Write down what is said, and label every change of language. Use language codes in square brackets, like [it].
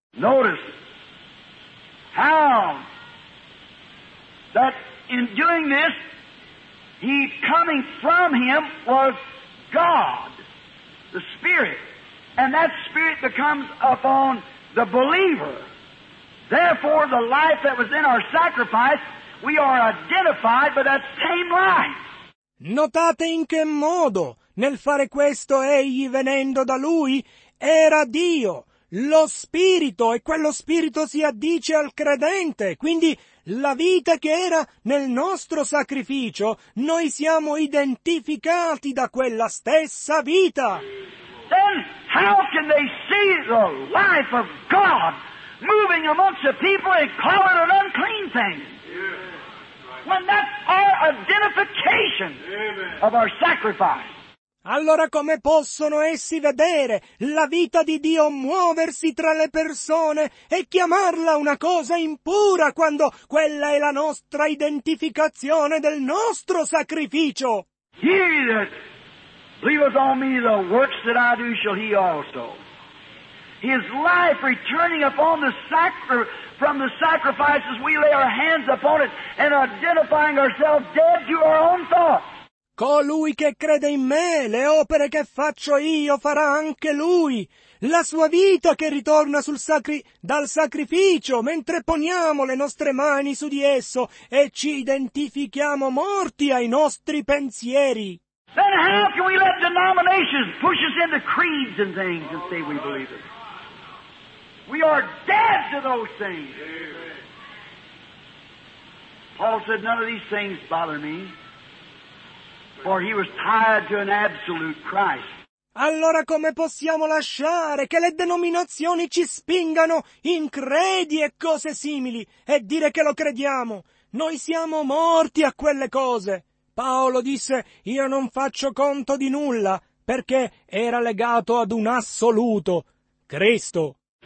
[en] Notice how that in doing this, he coming from him was God, the Spirit, and that Spirit becomes upon the believer. Therefore, the life that was in our sacrifice, we are identified by that same life. [it] Notate in che modo, nel fare questo, egli venendo da lui, era Dio, lo Spirito, e quello Spirito si addice al credente, quindi la vita che era nel nostro sacrificio, noi siamo identificati da quella stessa vita. [en] Then how can they see the life of God moving amongst the people and call it an unclean thing? When that's our identification of our sacrifice. [it] Allora come possono essi vedere la vita di Dio muoversi tra le persone e chiamarla una cosa impura quando quella è la nostra identificazione del nostro sacrificio? [en] He that believeth on me, the works that I do shall he also. His life returning upon the from the sacrifices we lay our hands upon it and identifying ourselves dead to our own thoughts. [it] Colui che crede in me, le opere che faccio io farà anche lui. La sua vita che ritorna dal sacrificio, mentre poniamo le nostre mani su di esso e ci identifichiamo morti ai nostri pensieri. [en] Then how can we let denominations push us into creeds and things and say we believe it? We are dead to those things. Amen. Paul said, none of these things bother me. For he was tied to an absolute Christ. [it] Allora come possiamo lasciare che le denominazioni ci spingano in credi e cose simili e dire che lo crediamo? Noi siamo morti a quelle cose. Paolo disse, io non faccio conto di nulla perché era legato ad un assoluto, Cristo.